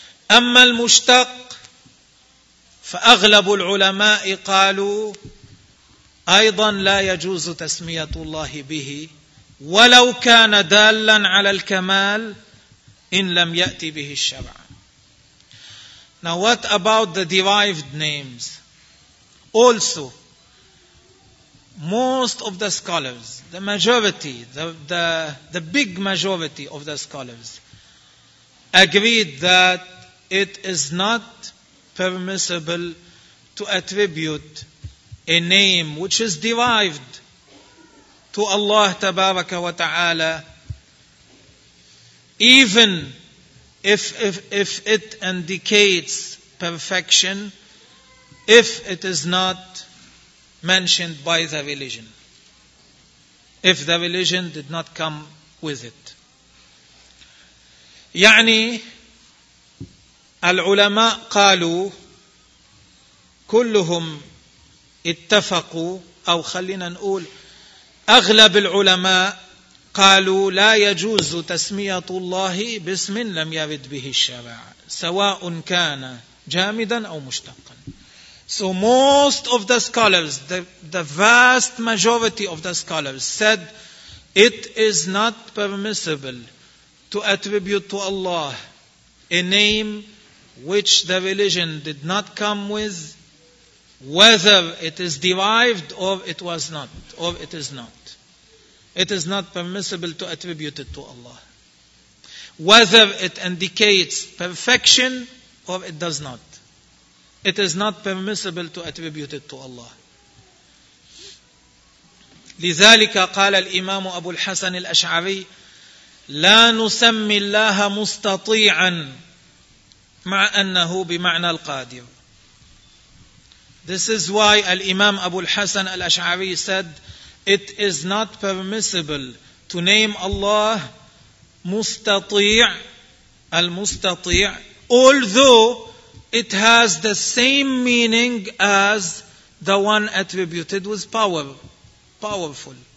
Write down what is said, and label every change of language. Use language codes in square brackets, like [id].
[ar] أما المشتق فأغلب العلماء قالوا أيضا لا يجوز تسمية الله به ولو كان دالا على الكمال إن لم يأتي به الشرع. [en] Now what about the derived names? Also, most of the scholars, the majority, the big majority of the scholars agreed that it is not permissible to attribute a name which is derived to Allah Tabaraka wa Ta'ala even if it indicates perfection, if it is not mentioned by the religion, if the religion did not come with it. [ar] يعني العلماء قالوا كلهم اتفقوا أو خلينا نقول أغلب العلماء قالوا لا يجوز تسمية الله باسم لم يرد به الشرع سواء كان جامدا أو مشتقا. [en] So most of the scholars, the vast majority of the scholars said it is not permissible to attribute to Allah a name which the religion did not come with, whether it is derived or it was not, or it is not. It is not permissible to attribute it to Allah. Whether it indicates perfection or it does not. It is not permissible to attribute it to Allah. [ar] لذلك قال الإمام أبو الحسن الأشعري لا نسمي الله مستطيعا مع أنه بمعنى القادر. [en] This is why الإمام أبو الحسن الأشعري said it is not permissible to name Allah مستطيع المستطيع although it has the same meaning as the one attributed with power, powerful.